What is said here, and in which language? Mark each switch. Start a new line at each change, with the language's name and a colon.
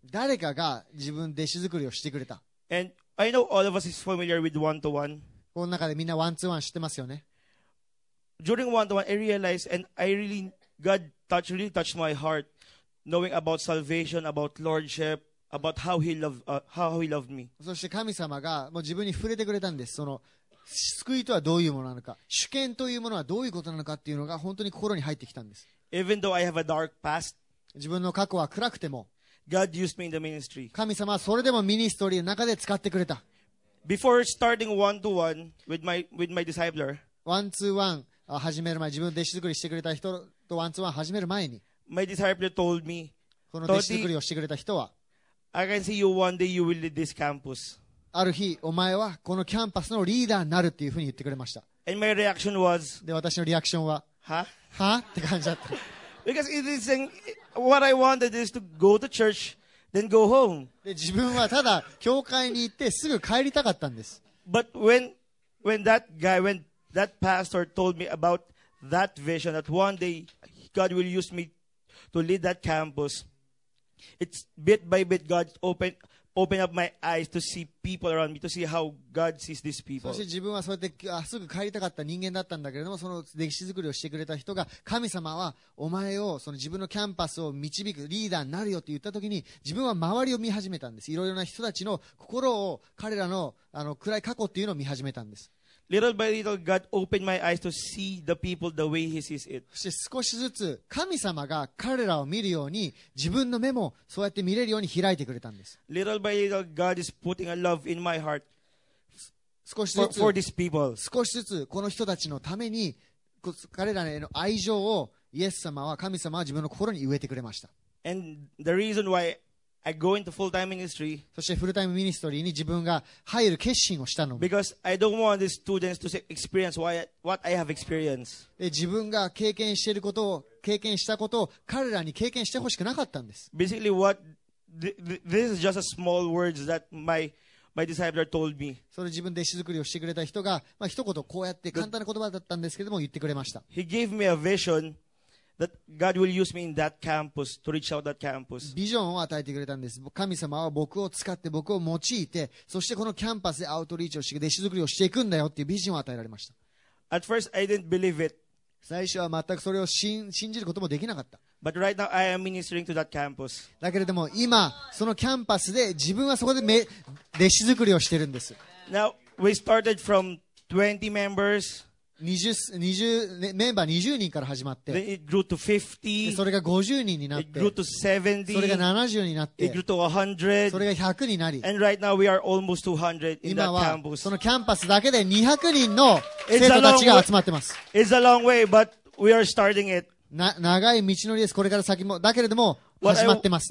Japanese: 誰かが自分弟子作りをしてくれた。
English: And I know all of us is familiar with one-to-one.
Japanese: この中でみんなワンツーワン知ってますよね。
English: During one-to-one, I realized and I really, God touched, really touched my heart knowing about salvation, about lordship, about how he loved, how he loved me.
Japanese: そして神様がもう自分に触れてくれたんです。その救いとはどういうものなのか、主権というものはどういうことなのかっていうのが本当に心に入ってきたんです。
English: Even though I have a dark past,
Japanese: 自分の過去は暗くても、
English: God used me in the ministry.
Japanese: 神様はそれでもミニストリーの中で使ってくれた。
English: Before starting one-to-one with my discipler,
Japanese: ワンツーワン始める前、自分の弟子作りしてくれた人とワンツーワン始める前に、
English: my discipler told me,
Japanese: この弟子作りをしてくれた人は、
English: I can see you one day you will lead this campus.
Japanese: ある日お前はこのキャンパスのリーダーになるっていうふうに言ってくれました。
English: And my reaction was,
Japanese: で私のリアクションは、 huh? はって感じだった。
English: Because it is saying, what I wanted is to go to church then go home.
Japanese: で自分はただ教会に行ってすぐ帰りたかったんです。
English: But when that guy, when that pastor told me about that vision that one day God will use me to lead that campus, it's bit by bit God opened up my eyes to see people around me, to see how God sees these people.
Japanese: そして自分はそうやってすぐ帰りたかった人間だったんだけれども、その歴史作りをしてくれた人が、神様はお前をその自分のキャンパスを導くリーダーになるよって言った時に、自分は周りを見始めたんです。いろいろな人たちの心を、彼ら の暗い過去っていうのを見始めたんです。
English: Little by little God opened my eyes to see the people the way he sees it.
Japanese: そして少しずつ神様が彼らを見るように、自分の目もそうやって見れるように開いてくれたんです。
English: Little by little God is putting a love in my heart for these people.
Japanese: 少しずつこの人たちのために、彼らへの愛情をイエス様は、神様は自分の心に植えてくれました。
English: And the reason why I go into full-time ministry.
Japanese: そしてフルタイムミニストリーに自分が入る決心をしたの。
English: Because I don't want these students to experience what I have experienced.
Japanese: 自分が経験していることを、経験したことを彼らに経験してほしくなかったんです。
English: Basically, this is just a small words that my disciple told me.
Japanese: それ自分弟子作りをしてくれた人が、まあ、一言こうやって簡単な言葉だったんですけども言ってくれました。
English: He gave me a vision. That God will use me in that campus to reach out that campus.
Japanese: ビジョンを与えてくれたんです。神様は僕を使って、僕を用いて、そしてこのキャンパスでアウトリーチをして、弟子作りをしていくんだよっていうビジョンを与えられました。
English: At first, I didn't believe it.
Japanese: 最初は全くそれを信じることもできなかった。
English: But right now, I am ministering to that campus.
Japanese: だけれども、今、そのキャンパスで自分はそこで弟子作りをしてるんです。
English: Now, we started from 20 members.
Japanese: メンバー20人から始まって、
English: Then it grew to 50,
Japanese: それが50人になって、
English: it grew to 70,
Japanese: それが70になって、
English: it grew to 100,
Japanese: それが100になり、
English: And right now we are almost 200 in that campus.
Japanese: 今はそのキャンパスだけで200人の生徒たちが集まってます。
English: It's a long way, but we are starting it.
Japanese: 長い道のりです。これから先もだけれども始まってます。